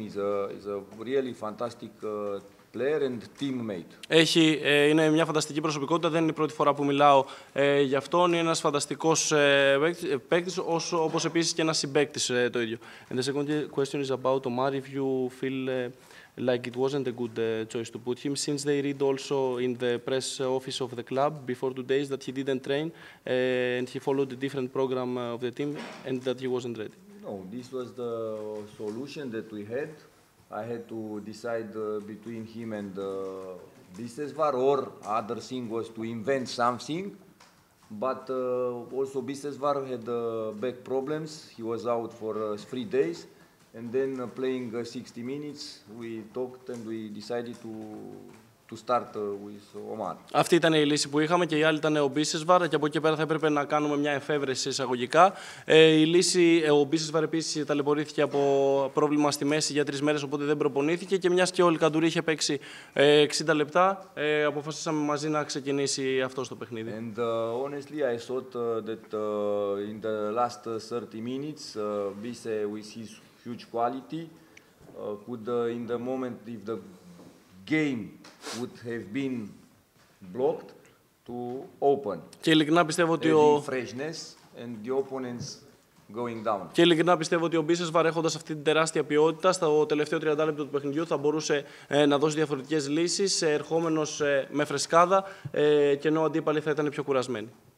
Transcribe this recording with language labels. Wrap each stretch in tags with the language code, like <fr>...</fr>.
<en>He's a really fantastic player and teammate.</en> <el>Είναι μια φανταστική προσωπικότητα, δεν είναι η πρώτη φορά που μιλάω γι' αυτόν. Είναι ένας φανταστικός παίκτης, όπως επίσης και ένας συμπαίκτης το ίδιο.</el> <en>And the second question is about Omar, if you feel like it wasn't a good choice to put him, since they read also in the press office of the club before 2 days that he didn't train and he followed a different program of the team and that he wasn't ready. No, this was the solution that we had. I had to decide between him and Bisesvar, or other thing was to invent something. But also Bisesvar had back problems. He was out for 3 days. And then playing 60 minutes, we talked and we decided to start with Omar.</en> <el>Αυτή ήταν η λύση που είχαμε και η άλλη ήταν ο Μπίσεσβαρ και από εκεί πέρα θα έπρεπε να κάνουμε μια εφεύρεση εισαγωγικά. Η λύση, ο Μπίσεσβαρ επίσης ταλαιπωρήθηκε από πρόβλημα στη μέση για 3 μέρες, οπότε δεν προπονήθηκε και μιας και ο Λικαντουρί είχε παίξει 60 λεπτά, αποφασίσαμε μαζί να ξεκινήσει αυτό στο παιχνίδι.</el> <en>And honestly, I thought that in the last 30 minutes, Bisse with his huge quality could in the moment if the game would have been blocked to open.</en> <el>Και ειλικρινά πιστεύω ότι ο</el> <en>freshness and the opponents going down.</en> <el>Και ειλικρινά πιστεύω ότι ο Μπίσες βαρέχοντας αυτή την τεράστια ποιότητα στο τελευταίο 30 λεπτό του παιχνιδιού θα μπορούσε να δώσει διαφορετικές λύσεις ερχόμενος με φρεσκάδα και ενώ αντίπαλοι θα ήταν πιο κουρασμένοι.</el>